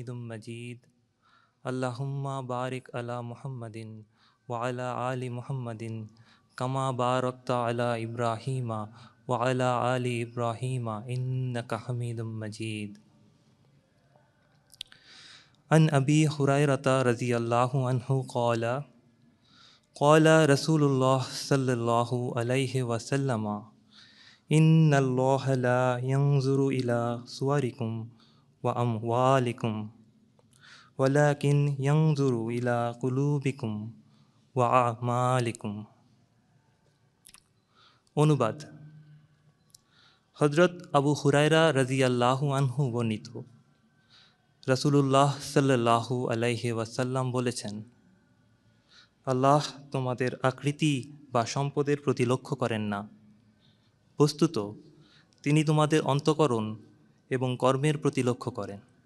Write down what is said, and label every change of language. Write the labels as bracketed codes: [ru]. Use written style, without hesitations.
[bn] মজিদ [ar] আল্লাহুম্মা বারিক আলা মুহাম্মাদিন ওয়া আলা আলি মুহাম্মাদিন কামা বারাকতা আলা ইব্রাহিমা وعلى آل إبراهيم إنك حميد مجيد. عن أبي هريرة رضي الله عنه قال قال رسول الله صلى الله عليه وسلم إن الله لا ينظر إلى صوركم وأموالكم ولكن ينظر إلى قلوبكم وأعمالكم. [bn] অনুবাদ: হযরত আবু হুরায়রা রাদিয়াল্লাহু আনহু বর্ণিত, রাসূলুল্লাহ সাল্লাল্লাহু আলাইহি ওয়াসাল্লাম বলেছেন, আল্লাহ তোমাদের আকৃতি বা সম্পদের প্রতি লক্ষ্য করেন না, বস্তুত তিনি তোমাদের অন্তকরণ এবং কর্মের প্রতি লক্ষ্য করেন।